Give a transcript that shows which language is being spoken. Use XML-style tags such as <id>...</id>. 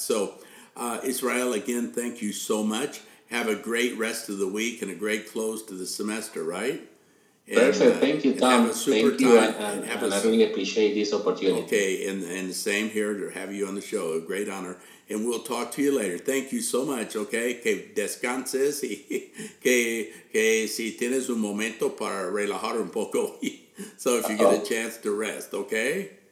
<en>So, Israel, again, thank you so much. Have a great rest of the week and a great close to the semester, right? Perfect. Thank you, Tom. Thank you. And I really appreciate this opportunity. Okay. And the same here to have you on the show. A great honor. And we'll talk to you later. Thank you so much. Okay.</en> <es>Que descanses y que si tienes un momento para relajar un poco.</es> <en>So if you get a chance to rest, okay?</en>